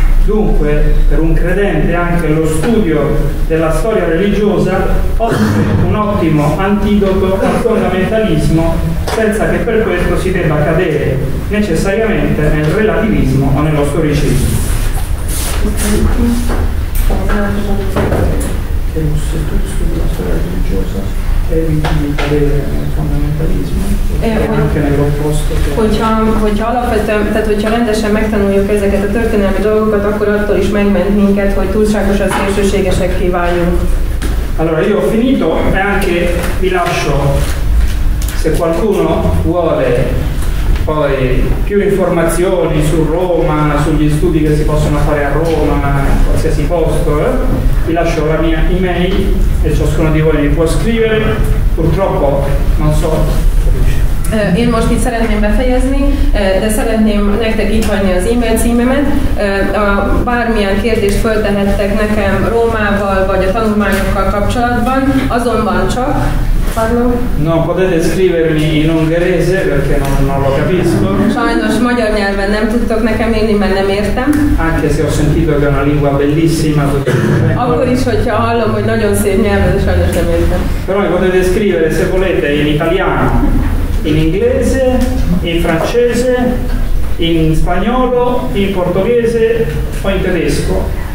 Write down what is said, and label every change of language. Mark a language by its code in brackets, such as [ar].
[it] Dunque, per un credente anche lo studio della storia religiosa offre un ottimo antidoto al fondamentalismo senza che per questo si debba cadere necessariamente nel relativismo o nello storicismo. Che se tu studi la storia religiosa eviti di cadere nel fondamentalismo. [hu] Hogyha alapvetően, tehát hogyha rendesen megtanuljuk ezeket a történelmi dolgokat, akkor attól is megment minket, hogy túlságosan szélsőségesekké váljunk. [it] Allora, io ho finito e anche vi lascio, se qualcuno vuole poi più informazioni su Roma, sugli studi che si possono fare a Roma, a qualsiasi posto, vi lascio la mia email e ciascuno di voi mi può scrivere. Purtroppo, non so. [hu] Én most itt szeretném befejezni, de szeretném nektek itt hagyni az e-mail címemet. Bármilyen kérdést föltehettek nekem Rómával vagy a tanulmányokkal kapcsolatban, azonban csak... Pardon? [it] No, potete scrivermi in ungherese, perché non lo capisco. [hu] Sajnos magyar nyelven nem tudtok nekem írni, mert nem értem. [it] Anche se ho sentito che è una lingua bellissima. [hu] Akkor is, hogyha hallom, hogy nagyon szép nyelven, sajnos nem értem. [it] Però potete scrivere, se volete, in italiano. in inglese, in francese, in spagnolo, in portoghese o in tedesco.